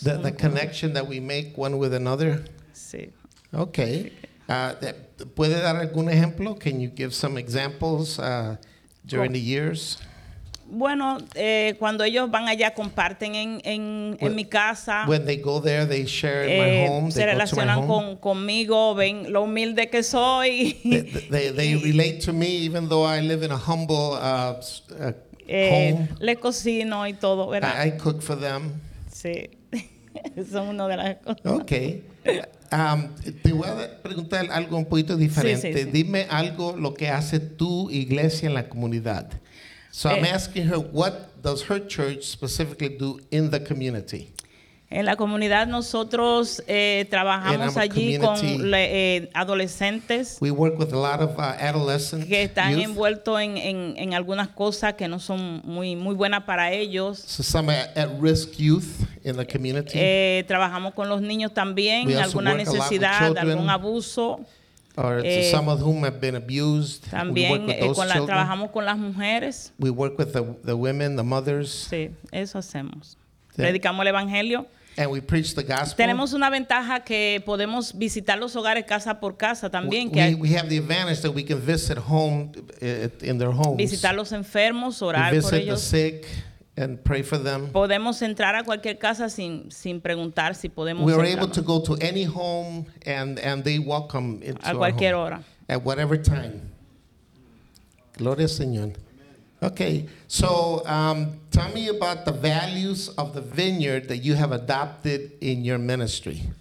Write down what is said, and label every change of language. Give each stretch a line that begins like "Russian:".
English: The connection that we make one with another.
Spanish: Sí. Okay. ¿Puede dar algún ejemplo?
English: Can you give some examples during the years?
Spanish: Bueno, cuando ellos van allá comparten en mi casa.
English: When they go there, they share in my home.
Spanish: Se relacionan conmigo, ven lo humilde que soy.
English: They relate to me, even though I live in a humble home.
Spanish: Le cocino y todo, ¿verdad?
English: I cook for them.
Spanish: Sí, son una de las cosas.
English: Okay.
Spanish: Te voy a preguntar algo un poquito diferente. Sí, sí, sí. Dime algo lo que hace tu iglesia en la comunidad.
English: So I'm asking her, what does her church specifically do in the community?
Spanish: En la comunidad nosotros trabajamos allí con adolescentes.
English: We work with a lot of adolescents.
Spanish: Que están
English: youth.
Spanish: Envueltos en algunas cosas que no son muy buenas para ellos.
English: So some at-risk youth in the community.
Spanish: Trabajamos con los niños también, alguna necesidad, algún abuso.
English: Or some of whom have been abused.
Spanish: También,
English: we work with those
Spanish: con la, trabajamos con las mujeres.
English: We work with the women, the mothers.
Spanish: Sí, eso hacemos. Predicamos el evangelio.
English: And we preach the gospel.
Spanish: Tenemos una ventaja que podemos visitar los hogares casa por casa también.
English: We have the advantage that we can visit home in their homes.
Spanish: Visitar los enfermos, orar por ellos.
English: Visit the sick and pray for them.
Spanish: Podemos entrar a cualquier casa sin preguntar si podemos.
English: We are able to go to any home and they welcome it
Spanish: a cualquier hora.
English: At whatever time.
Spanish: Gloria al Señor.
English: Okay, so tell me about the values of the vineyard that you have adopted in your ministry.